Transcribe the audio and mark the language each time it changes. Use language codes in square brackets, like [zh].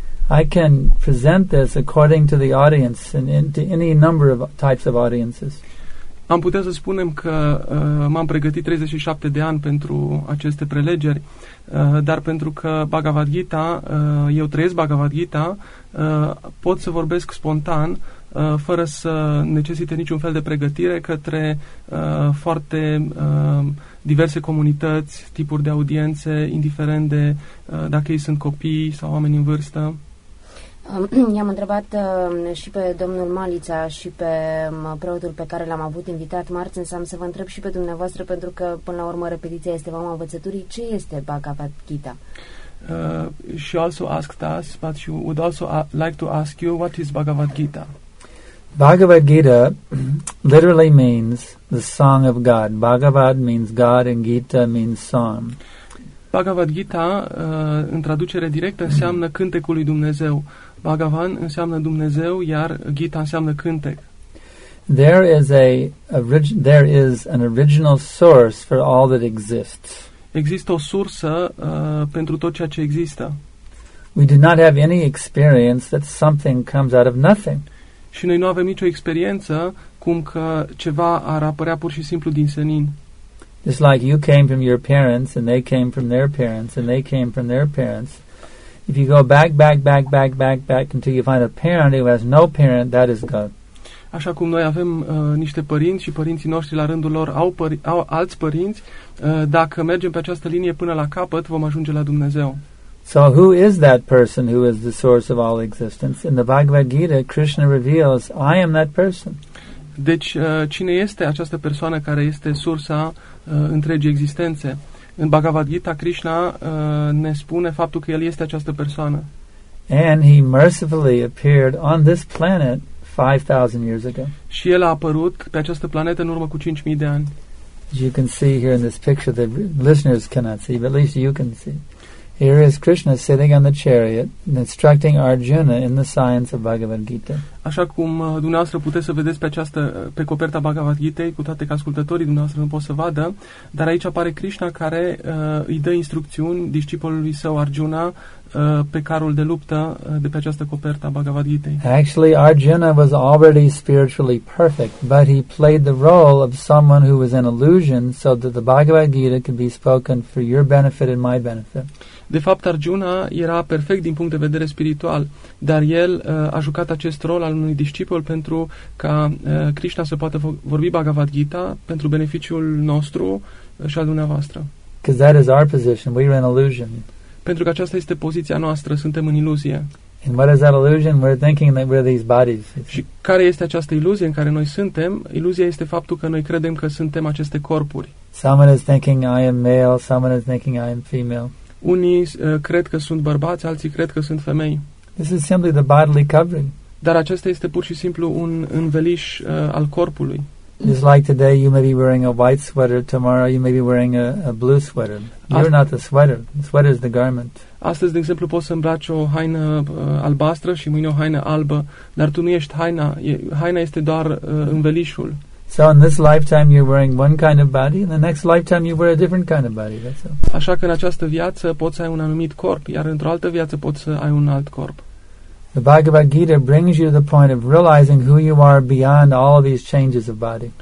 [en] I can present this according to the audience and to any number of types of audiences. [ro] Am putea să spunem că m-am pregătit 37 de ani pentru aceste prelegeri, dar pentru că Bhagavad Gita, eu trăiesc Bhagavad Gita, pot să vorbesc spontan, fără să necesite niciun fel de pregătire către foarte diverse comunități, tipuri de audiențe, indiferent de dacă ei sunt copii sau oameni în vârstă. I-am întrebat și pe domnul Malița și pe preotul pe care l-am avut invitat marți, însă am să vă întreb și pe dumneavoastră, pentru că până la urmă repetiția este mama învățăturii. Ce este Bhagavad Gita? [en] She also asked us, but she would also like to ask you, what is Bhagavad Gita? Bhagavad Gita literally means the song of God. Bhagavad means God and Gita means song. [ro] Bhagavad Gita, în traducere directă, înseamnă cântecul lui Dumnezeu. Bhagavan înseamnă Dumnezeu, iar Gita înseamnă cântec. [en] There is an original source for all that exists. [ro] Există o sursă pentru tot ceea ce există. [en] We do not have any experience that something comes out of nothing. [ro] Și noi nu avem nicio experiență cum că ceva ar apărea pur și simplu din senin. [en] It's like you came from your parents and they came from their parents and they came from their parents. If you go back until you find a parent who has no parent, that is God. [ro] Așa cum noi avem niște părinți și părinții noștri la rândul lor au alți părinți, dacă mergem pe această linie până la capăt, vom ajunge la Dumnezeu. [en] So who is that person who is the source of all existence? In the Bhagavad Gita, Krishna reveals, I am that person. [ro] Deci, cine este această persoană care este sursa întregii existențe? În Bhagavad Gita, Krishna ne spune faptul că El este această persoană. [en] And he mercifully appeared on this planet 5,000 years ago. [ro] Și El a apărut pe această planetă în urmă cu 5,000 de ani. [en] You can see here in this picture that listeners cannot see, but at least you can see. Here is Krishna sitting on the chariot instructing Arjuna in the science of Bhagavad Gita. [ro] Așa cum dumneavoastră puteți să vedeți pe această pe coperta Bhagavad Gita, cu toate că ascultătorii dumneavoastră nu pot să vadă, dar aici apare Krishna care îi dă instrucțiuni discipolului său Arjuna pe carul de luptă de pe această coperta Bhagavad Gita. [en] Actually, Arjuna was already spiritually perfect, but he played the role of someone who was an illusion so that the Bhagavad Gita could be spoken for your benefit and my benefit. [ro] De fapt, Arjuna era perfect din punct de vedere spiritual, dar el a jucat acest rol al unui discipol pentru ca Krishna să poată vorbi Bhagavad Gita pentru beneficiul nostru și al dumneavoastră. [en] Because that is our position. We are an illusion. [ro] Pentru că aceasta este poziția noastră, suntem în iluzie. [en] And what is that illusion? We're thinking that we're these bodies. [ro] Și care este această iluzie în care noi suntem? Iluzia este faptul că noi credem că suntem aceste corpuri. [en] Someone is thinking I am male, someone is thinking I am female. [ro] Unii cred că sunt bărbați, alții cred că sunt femei. [en] This is simply the bodily covering. [ro] Dar acesta este pur și simplu un înveliș al corpului. [en] It's like today you may be wearing a white sweater, tomorrow you may be wearing a blue sweater. You're not the sweater. The sweater is the garment. [ro] Astăzi, de exemplu, poți să îmbraci o haină albastră și mâine o haină albă, dar tu nu ești haina. Haina este doar învelișul. [en] So in this lifetime you're wearing one kind of body, in the next lifetime you wear a different kind of body. That's all. [ro] Așa că în această viață poți să ai un anumit corp, iar într-o altă viață poți să ai un alt corp. [en] The Bhagavad Gita brings you to the point of realizing who you are beyond all of these changes of body.